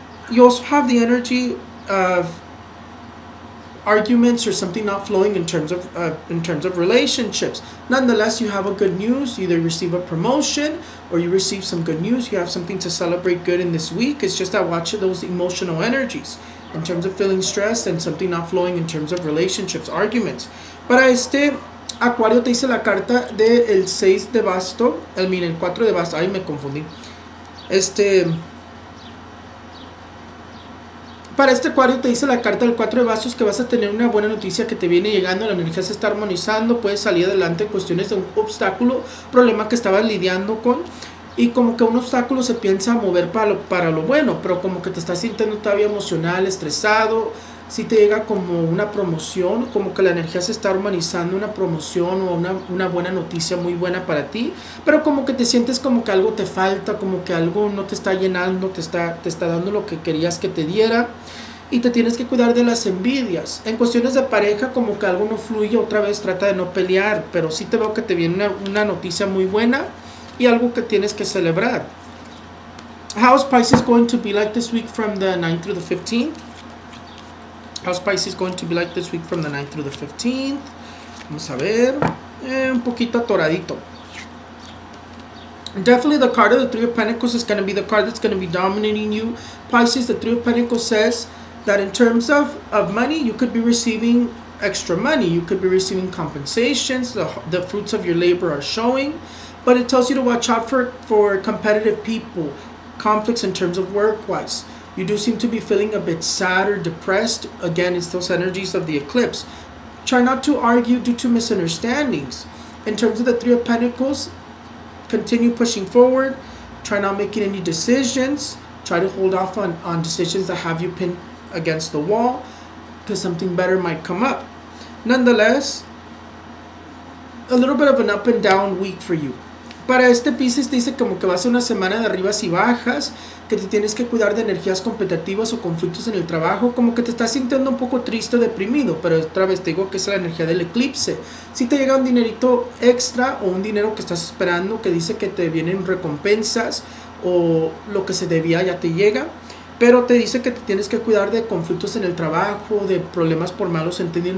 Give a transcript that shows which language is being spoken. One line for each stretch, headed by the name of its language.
English: You also have the energy of arguments or something not flowing in terms of relationships. Nonetheless, you have a good news. You either receive a promotion or you receive some good news. You have something to celebrate good in this week. It's just that watch those emotional energies in terms of feeling stressed and something not flowing in terms of relationships, arguments.
Spanish: Para este Acuario te dice la carta de el 6 de basto. El 4 de basto. Ay, me confundí. Para este Acuario te dice la carta del 4 de bastos que vas a tener una buena noticia que te viene llegando, la energía se está armonizando, puedes salir adelante en cuestiones de un obstáculo, problema que estabas lidiando con, y como que un obstáculo se piensa mover para lo bueno, pero como que te estás sintiendo todavía emocional, estresado, si te llega como una promoción, como que la energía se está humanizando, una promoción o una buena noticia muy buena para ti, pero como que te sientes como que algo te falta, como que algo no te está llenando, te está dando lo que querías que te diera. Y te tienes que cuidar de las envidias. En cuestiones de pareja, como que algo no fluye, otra vez trata de no pelear. Pero sí te veo que te viene una noticia muy buena y algo que tienes que celebrar.
English: How's Pisces going to be like this week from the 9th through the 15th? How's Pisces going to be like this week from the 9th through the 15th?
Spanish: Vamos a ver. Un poquito atoradito.
English: Definitely the card of the Three of Pentacles is going to be the card that's going to be dominating you. Pisces, the Three of Pentacles says that in terms of money, you could be receiving extra money. You could be receiving compensations. The fruits of your labor are showing. But it tells you to watch out for competitive people, conflicts in terms of work-wise. You do seem to be feeling a bit sad or depressed. Again, it's those energies of the eclipse. Try not to argue due to misunderstandings. In terms of the Three of Pentacles, continue pushing forward. Try not making any decisions. Try to hold off on decisions that have you pinned against the wall, because something better might come up. Nonetheless, a little bit of an up and down week for you.
Spanish: Para este Pisces dice como que va a ser una semana de arribas y bajas, que te tienes que cuidar de energías competitivas o conflictos en el trabajo, como que te estás sintiendo un poco triste o deprimido, pero otra vez te digo que es la energía del eclipse. Si te llega un dinerito extra o un dinero que estás esperando, que dice que te vienen recompensas o lo que se debía ya te llega, pero te dice que te tienes que cuidar de conflictos en el trabajo, de problemas por malos entendidos.